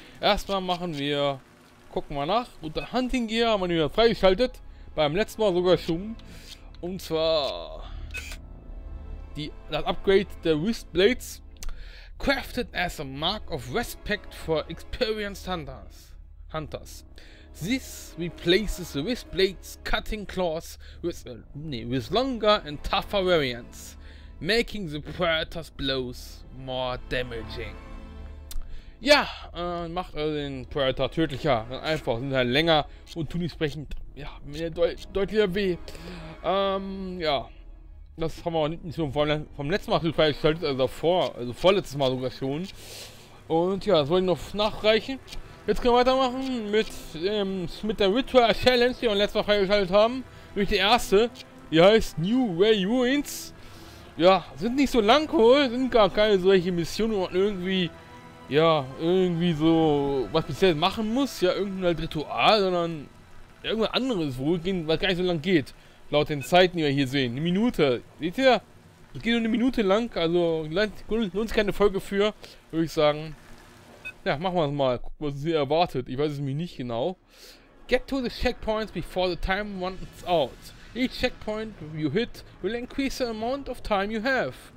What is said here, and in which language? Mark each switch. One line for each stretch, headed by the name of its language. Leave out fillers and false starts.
German: Erstmal machen wir, gucken wir nach, unter Hunting Gear haben wir wieder freigeschaltet, beim letzten Mal sogar schon, und zwar das Upgrade der Wrist Blades, crafted as a mark of respect for experienced hunters.
English: This replaces the wrist blades cutting claws with longer and tougher variants, making the Predator's blows more damaging.
German: Ja, macht also den Predator tödlicher, einfach sind halt länger und tun entsprechend ja mehr deutlicher weh. Das haben wir nicht schon vom letzten Mal freigeschaltet, also vorletztes Mal sogar schon. Und ja, das wollte ich noch nachreichen. Jetzt können wir weitermachen mit der Ritual Challenge, die wir letztes Mal freigeschaltet haben. Nämlich die erste. Die heißt New Way Ruins. Ja, sind nicht so lang wohl, sind gar keine solche Missionen, wo man irgendwie so was speziell machen muss. Ja, irgendein halt Ritual, sondern irgendwas anderes wohl gehen, was gar nicht so lang geht. Laut den Zeiten, die wir hier sehen. Eine Minute. Seht ihr? Es geht nur eine Minute lang. Also lohnt sich keine Folge für, würde ich sagen. Ja, machen wir es mal. Gucken, was sie erwartet. Ich weiß es nämlich nicht genau.
English: Get to the checkpoints before the time runs out. Each checkpoint you hit will increase the amount of time you have.